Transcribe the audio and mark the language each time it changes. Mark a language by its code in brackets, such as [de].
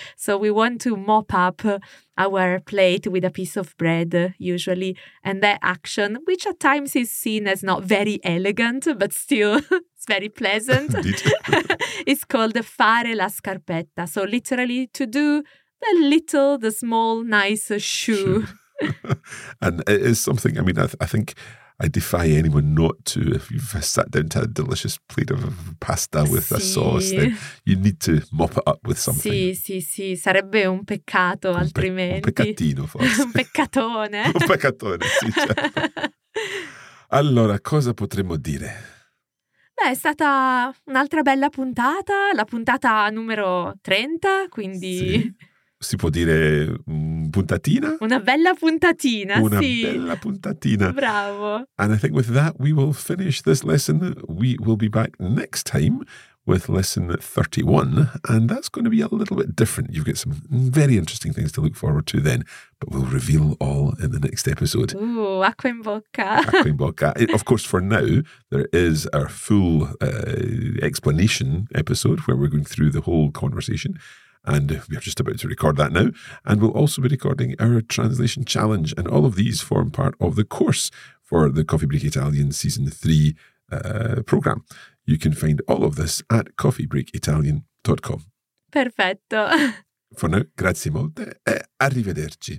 [en] So we want to mop up our plate with a piece of bread usually, and that action, which at times is seen as not very elegant but still it's very pleasant, it's called [it] fare la scarpetta, [en] so literally to do the little, the small, nice shoe. And it is something, I mean, I think I defy anyone not to, if you've sat down to a delicious plate of pasta with [it] sì. [en] a sauce, then you need to mop it up with something. [it] Sì, sì, sì, sarebbe un peccato altrimenti. Un peccatino forse. Un peccatone. Un peccatone, sì, certo. Allora, cosa potremmo dire? Beh, è stata un'altra bella puntata, la puntata numero 30, quindi... Sì. Si può dire puntatina? Una bella puntatina, una sì. Una bella puntatina. Bravo. [en] And I think with that we will finish this lesson. We will be back next time with lesson 31. And that's going to be a little bit different. You've got some very interesting things to look forward to then. But we'll reveal all in the next episode. [it] Ooh, acqua in bocca. Acqua in bocca. [en] Of course, for now, there is our full explanation episode where we're going through the whole conversation. And we're just about to record that now. And we'll also be recording our translation challenge. And all of these form part of the course for the Coffee Break Italian Season 3 program. You can find all of this at coffeebreakitalian.com. [it] Perfetto. [en] For now, [it] grazie molte e arrivederci.